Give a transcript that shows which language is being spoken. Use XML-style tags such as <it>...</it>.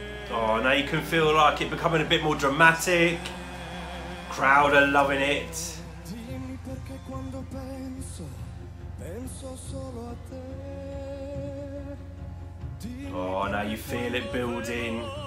<en>Oh, now you can feel like it becoming a bit more dramatic. Crowd are loving it.</en> <it>Dimmi perché quando penso, penso solo a te.</it> <en>Oh, now you feel it building.</en>